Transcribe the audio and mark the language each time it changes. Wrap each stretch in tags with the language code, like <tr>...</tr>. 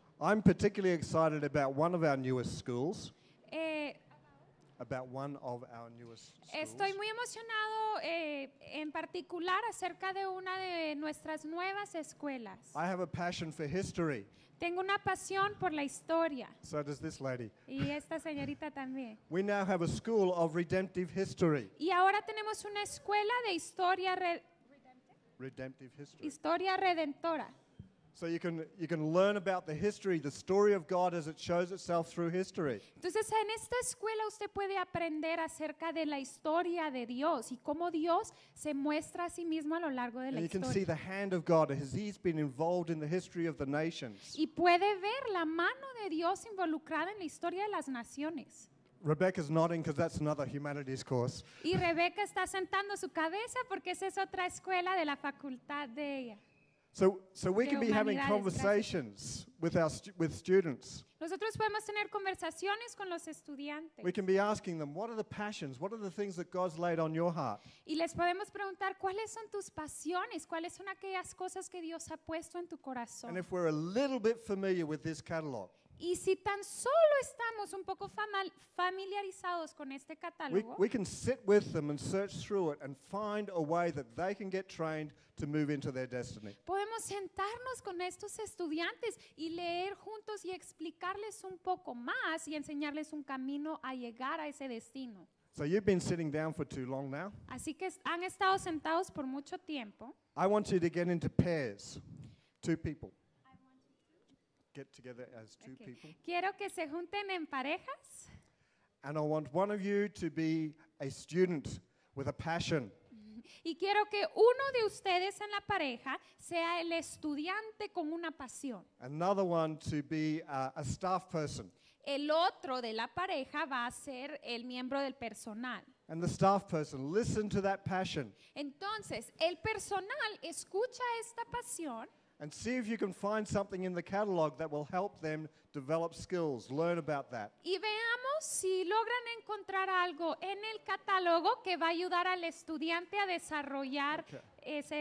<en>I'm particularly excited about one of our newest schools. About one of our newest schools.</en> <es>Estoy muy emocionado en particular acerca de una de nuestras nuevas escuelas.</es> <en>I have a passion for history.</en> <es>Tengo una pasión por la historia.</es> <en>So does this lady.</en> <es>Y esta señorita también.</es> <en>We now have a school of redemptive history.</en> <es>Y ahora tenemos una escuela de historia</es> <en>redemptive history.</en> <es>Historia redentora.</es> <en>So you can learn about the history, the story of God as it shows itself through history.</en> <es>Entonces en esta escuela usted puede aprender acerca de la historia de Dios y cómo Dios se muestra a sí mismo a lo largo de la historia.</es> <en>And you can see the hand of God as He's been involved in the history of the nations.</en> <es>Y puede ver la mano de Dios involucrada en la historia de las naciones.</es> <en>Rebecca's nodding because that's another humanities course.</en> <es>Y Rebecca está sentando su cabeza porque esa es otra escuela de la facultad de ella.</es> <en>So we can be having conversations with our with students.</en> <es>Nosotros podemos tener conversaciones con los estudiantes.</es> <en>We can be asking them, what are the passions? What are the things that God's laid on your heart?</en> <es>Y les podemos preguntar, ¿cuáles son tus pasiones? ¿Cuáles son aquellas cosas que Dios ha puesto en tu corazón?</es> <en>And if we're a little bit familiar with this catalog,</en> <es>y si tan solo estamos un poco familiarizados con este catálogo,</es> <en>we can sit with them and search through it and find a way that they can get trained to move into their destiny.</en> <es>Podemos sentarnos con estos estudiantes y leer juntos y explicarles un poco más y enseñarles un camino a llegar a ese destino.</es> <en>So you've been sitting down for too long now.</en> <es>Así que han estado sentados por mucho tiempo.</es> <en>I want you to get into pairs, two people. Get together as two okay. people.</en> <es>Quiero que se junten en parejas.</es> <en>And I want one of you to be a student with a passion.</en> <es>Y quiero que uno de ustedes en la pareja sea el estudiante con una pasión.</es> <en>Another one to be a staff person.</en> <es>El otro de la pareja va a ser el miembro del personal.</es> <en>And the staff person, listen to that passion.</en> <es>Entonces, el personal escucha esta pasión.</es> <en>And see if you can find something in the catalog that will help them develop skills. Learn about that.</en> <es>Y veamos si logran encontrar algo en el catálogo que va a ayudar al estudiante a desarrollar okay.</es>